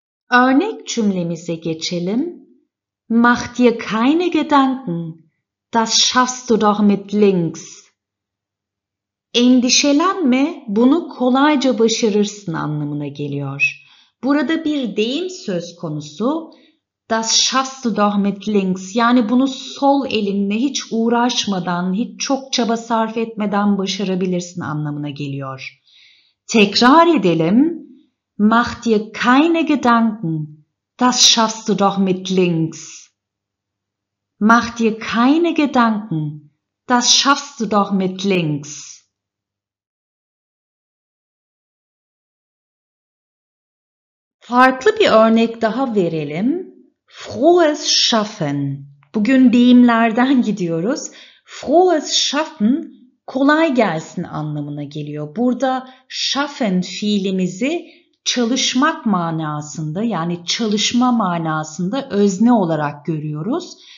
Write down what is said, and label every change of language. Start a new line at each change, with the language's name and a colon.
Turkish: Örnek cümlemize geçelim.
German: Mach dir keine Gedanken. Das schaffst du doch mit links.
Turkish: Endişelenme, bunu kolayca başarırsın anlamına geliyor. Burada bir deyim söz konusu.
German: Das schaffst du doch mit links.
Turkish: Yani bunu sol elinle hiç uğraşmadan, hiç çok çaba sarf etmeden başarabilirsin anlamına geliyor. Tekrar edelim.
German: Mach dir keine Gedanken, das schaffst du doch mit links. Mach dir keine Gedanken, das schaffst du doch mit links.
Turkish: Farklı bir örnek daha verelim.
German: Frohes Schaffen.
Turkish: Bugün deyimlerden gidiyoruz.
German: Frohes Schaffen
Turkish: kolay gelsin anlamına geliyor. Burada Schaffen fiilimizi çalışmak manasında, yani çalışma manasında özne olarak görüyoruz.